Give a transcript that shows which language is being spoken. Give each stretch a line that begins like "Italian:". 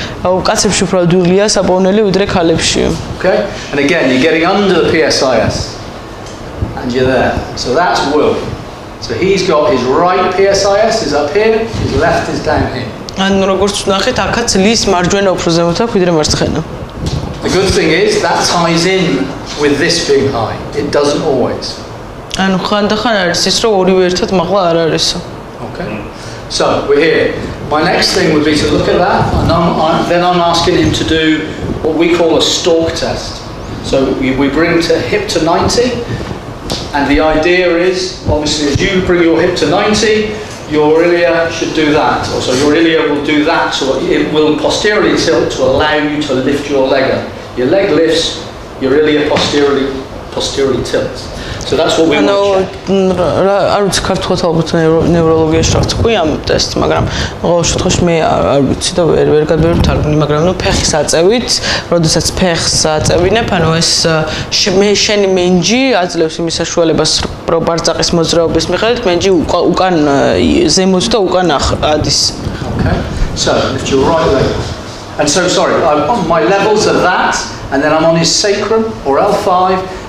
Georgian: Oh, კაცებში უფრო დულია საბონელი ვიდრე ქალებში.
English: Okay? And again, you're getting under the PSIS. And you're there. So that's Will. So he's got his right PSIS is up here, his left is down here.
Georgian: ან როგორც ვნახეთ, აქაც ლის მარჯვენა უფრო ზემოთ აქვს ვიდრე მარცხენა.
English: The good thing is that ties in with this being high. It doesn't always.
Georgian: ან ხანდახან არის ის, რომ ორივე ერთად მაღლა არ არისო.
English: Okay. So, we're here. My next thing would be to look at that, and then I'm asking him to do what we call a stalk test. So, we bring to hip to 90, and the idea is, obviously, as you bring your hip to 90, your ilia should do that. So, your ilia will do that, so it will posteriorly tilt to allow you to lift your leg up. Your leg lifts, your ilia posteriorly tilts. So that's what we want.
Georgian: No, არ ვიცი ქართულად ალბათ ნევროლოგიაში რა თქვია ამ ტესტს, მაგრამ ყოველ შემთხვევაში მე არ ვიცი და ვერ გადავერ თარგმნი, მაგრამ ნუ ფეხის აწევით, როდესაც ფეხს აწევინებ, ანუ ეს შენი მენჯი აძლევს იმის საშუალებას, რომ ბარძაყის მოძრაობის მიხედვით მენჯი უკან ზემოთ და უკან ახადის.
English: Okay. So, lift your right leg. And so sorry, my levels are that and then I'm on his sacrum or L5.